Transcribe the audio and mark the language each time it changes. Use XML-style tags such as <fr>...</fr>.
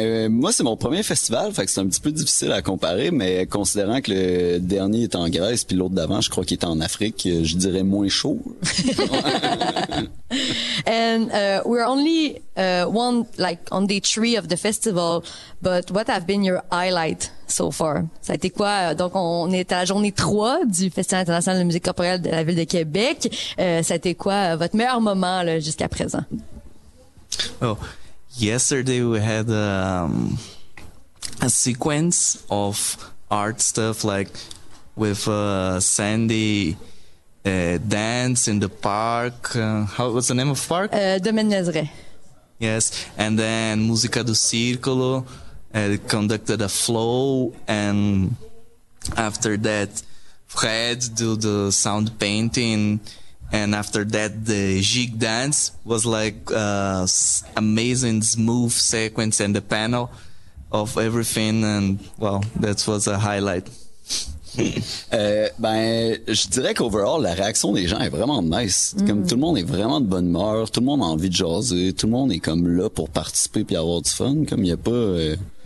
<fr>Moi, c'est mon premier festival, fait que c'est un petit peu difficile à comparer, mais considérant que le dernier est en Grèce, puis l'autre d'avant, je crois qu'il était en Afrique, je dirais moins chaud.</fr> <en>And we're only one, like, on day three of the festival, but what have been your highlights so far?</en> <fr>Ça a été quoi? Donc, on est à la journée 3 du Festival international de musique corporelle de la ville de Québec. Ça a été quoi votre meilleur moment là, jusqu'à présent? Oh.</fr> <en>Yesterday we had a sequence of art stuff, like with Sandy dance in the park. How was the name of the park? Domaine Nazareth. Yes, and then Musica do Circolo conducted a flow, and after that Fred do the sound painting. And after that, the jig dance was like amazing, smooth sequence, and the panel of everything. And well, that was a highlight.</en> <fr>Ben, je dirais qu'overall, la réaction des gens est vraiment nice. Mm. Comme tout le monde est vraiment de bonne humeur, tout le monde a envie de jaser, tout le monde est comme là pour participer puis avoir du fun. Comme il y a pas, ouais.</fr>